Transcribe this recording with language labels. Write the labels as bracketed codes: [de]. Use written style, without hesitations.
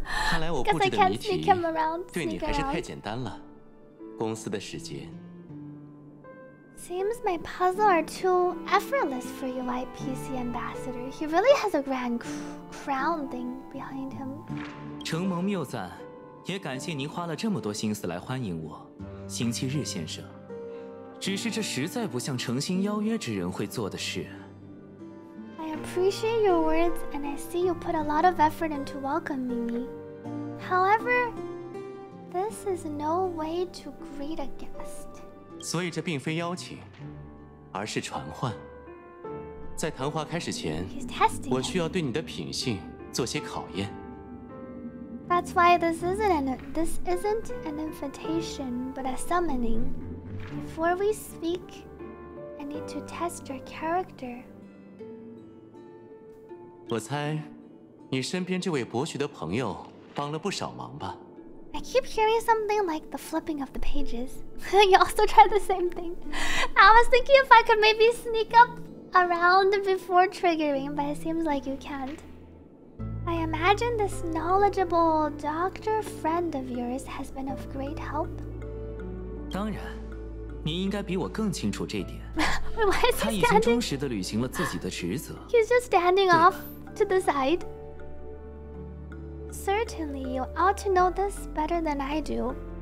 [zh] 看来我布置的谜题对你还是太简单了。公司的时间。 [en] Seems my puzzles are too effortless for you, IPC ambassador. He really has a grand crown thing behind him. [zh] 承蒙谬赞，也感谢您花了这么多心思来欢迎我，星期日先生。只是这实在不像诚心邀约之人会做的事。 [en] I appreciate your words, and I see you put a lot of effort into welcoming me. However, this is no way to greet a guest. [zh] 所以这并非邀请，而是传唤。在谈话开始前，我需要对你的品性做些考验。 [en] That's why this isn't an invitation, but a summoning. Before we speak, I need to test your character. [zh] 我猜，你身边这位博学的朋友。帮了不少忙吧。 [en] I keep hearing something like the flipping of the pages. You also tried the same thing. I was thinking if I could maybe sneak up around before triggering, but it seems like you can't. I imagine this knowledgeable doctor friend of yours has been of great help. [zh] 当然，你应该比我更清楚这点。 [en] Why is he standing? [zh] 他已经忠实地履行了自己的职责。 [en] He's just standing off to the side. Certainly, you ought to know this better than I do.